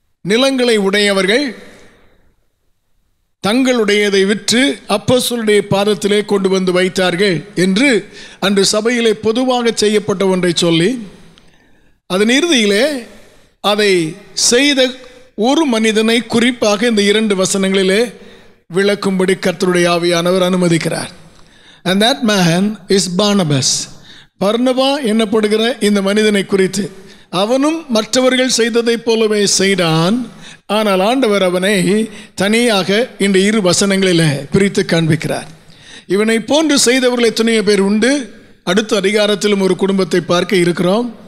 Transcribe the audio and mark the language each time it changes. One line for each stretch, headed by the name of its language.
Tamil: நிலங்களை உடையவர்கள் தங்களுடையதை விற்று அப்போஸ்தலருடைய பாதத்திலே கொண்டு வந்து வைத்தார்கள் என்று அன்று சபையிலே பொதுவாக செய்யப்பட்ட ஒன்றை சொல்லி, அதன் இறுதியிலே அதை செய்த ஒரு மனிதனை குறிப்பாக இந்த இரண்டு வசனங்களிலே விளக்கும்படி கர்த்தருடைய ஆவியானவர் அனுமதிக்கிறார்.
English: And that man is Barnabas.
Tamil: பர்னபா என்னப்படுகிற இந்த மனிதனை குறித்து, அவனும் மற்றவர்கள் செய்ததைப் போலவே செய்தான், ஆனால் ஆண்டவர் அவனை தனியாக இந்த இரு வசனங்களிலே பிரித்து காண்பிக்கிறார். இவனை போன்று செய்தவர்கள் எத்தனையோ பேர் உண்டு. அடுத்த அதிகாரத்திலும் ஒரு குடும்பத்தை பார்க்க இருக்கிறோம்.